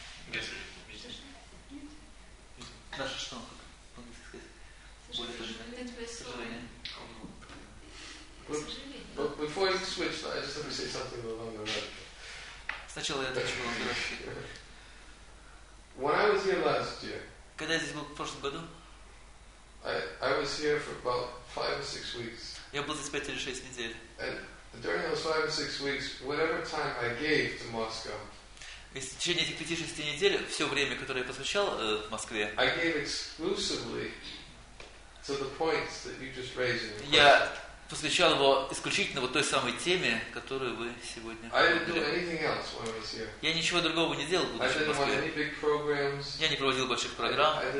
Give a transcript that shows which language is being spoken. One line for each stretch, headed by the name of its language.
English: before you switch, I just have to say something along the way.
Russian: Сначала я хочу вам говорить.
English: When I was here last year.
Russian: Когда я здесь был в прошлом году?
English: I was here for about 5 or 6 weeks.
Russian: Я был здесь 5 или 6 недель.
English: And during those 5 or 6 weeks, whatever time I gave to Moscow.
Russian: В течение этих 5-6 недель все время, которое я посвящал в Москве.
English: I gave exclusively So the points that you just raised in the question,
Russian: я посвящал его исключительно вот той самой теме, которую вы сегодня говорили. Я ничего другого не делал, будучи в Москве. Я не проводил больших программ.